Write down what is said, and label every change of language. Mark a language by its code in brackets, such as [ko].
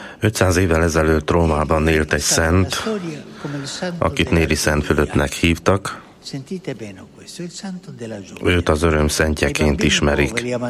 [hu] 500 évvel ezelőtt Rómában élt egy szent, akit Néri Szent Fülöpnek hívtak. [it] Sentite bene questo, il santo della gioia. [hu] Őt az öröm szentjeként ismerik.